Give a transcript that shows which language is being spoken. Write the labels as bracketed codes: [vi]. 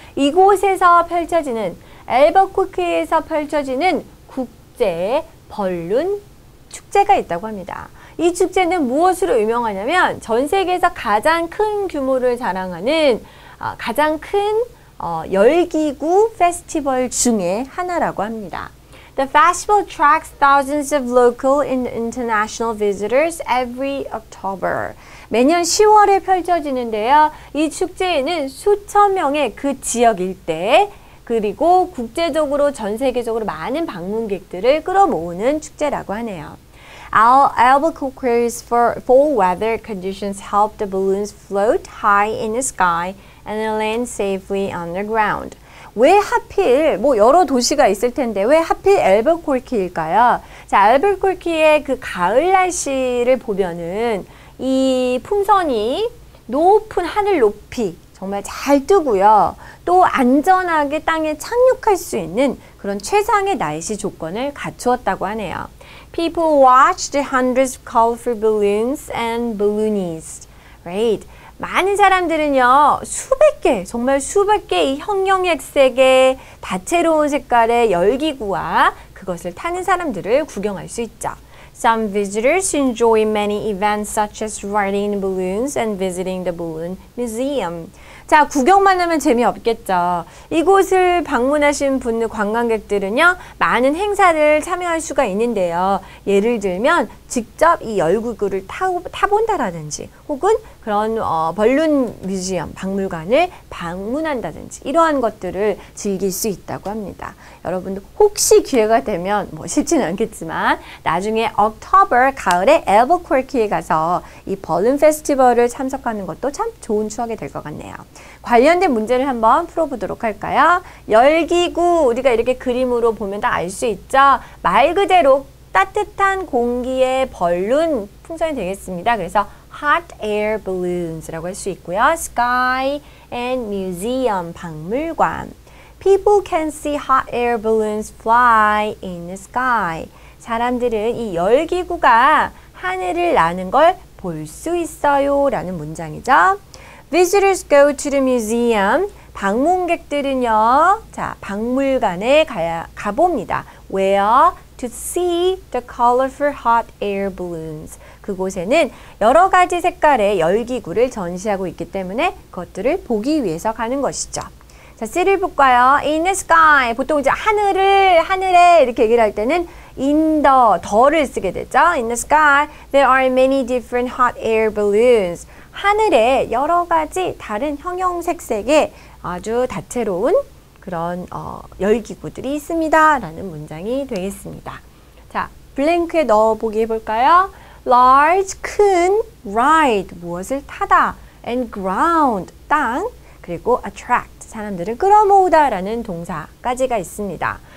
[ko] 이곳에서 펼쳐지는, Albuquerque에서 펼쳐지는 국제 벌룬 축제가 있다고 합니다. 이 축제는 무엇으로 유명하냐면 전 세계에서 가장 큰 규모를 자랑하는 가장 큰 열기구 페스티벌 중에 하나라고 합니다. [en] The festival attracts thousands of local and international visitors every October. [ko] 매년 10월에 펼쳐지는데요. 이 축제에는 수천 명의 그 지역 일대 그리고 국제적으로 전 세계적으로 많은 방문객들을 끌어모으는 축제라고 하네요. [en] Albuquerque's fall weather conditions help the balloons float high in the sky and land safely on the ground. [ko] 왜 하필, 뭐 여러 도시가 있을 텐데 왜 하필 앨버쿠르키일까요? 자, 앨버쿠르키의 그 가을 날씨를 보면은 이 풍선이 높은 하늘 높이 정말 잘 뜨고요. 또 안전하게 땅에 착륙할 수 있는 그런 최상의 날씨 조건을 갖추었다고 하네요. [en] People watched hundreds of colorful balloons and balloonies. Right. [ko] 많은 사람들은요, 정말 수백 개의 형형색색의 다채로운 색깔의 열기구와 그것을 타는 사람들을 구경할 수 있죠. [en] Some visitors enjoy many events such as riding balloons and visiting the balloon museum. [ko] 자, 구경만 하면 재미없겠죠. 이곳을 방문하신 분들, 관광객들은요, 많은 행사를 참여할 수가 있는데요. 예를 들면, 직접 이 열기구를 타본다라든지, 혹은 그런 벌룬 뮤지엄, 박물관을 방문한다든지, 이러한 것들을 즐길 수 있다고 합니다. 여러분도 혹시 기회가 되면, 뭐, 쉽지는 않겠지만, 나중에 October, 가을에 Albuquerque에 가서 이 벌룬 페스티벌을 참석하는 것도 참 좋은 추억이 될 것 같네요. 관련된 문제를 한번 풀어보도록 할까요? 열기구, 우리가 이렇게 그림으로 보면 다 알 수 있죠? 말 그대로 따뜻한 공기의 벌룬 풍선이 되겠습니다. 그래서 [en] hot air balloons [ko] 라고 할 수 있고요. sky and museum, 박물관. [en] People can see hot air balloons fly in the sky. [ko] 사람들은 이 열기구가 하늘을 나는 걸 볼 수 있어요. 라는 문장이죠. [en] Visitors go to the museum. [ko] 방문객들은요, 자, 박물관에 가봅니다. [en] Where? To see the colorful hot air balloons. [ko] 그곳에는 여러 가지 색깔의 열기구를 전시하고 있기 때문에 그것들을 보기 위해서 가는 것이죠. 자, C를 볼까요? [en] In the sky. [ko] 보통 이제 하늘에 이렇게 얘기를 할 때는 in the, 더를 쓰게 되죠. [en] In the sky, there are many different hot air balloons. [ko] 하늘에 여러 가지 다른 형형색색의 아주 다채로운 그런 열기구들이 있습니다. 라는 문장이 되겠습니다. 자, 블랭크에 넣어보기 해볼까요? Large, 큰, ride, 무엇을 타다, and ground, 땅, 그리고 attract, 사람들을 끌어모으다 라는 동사까지가 있습니다.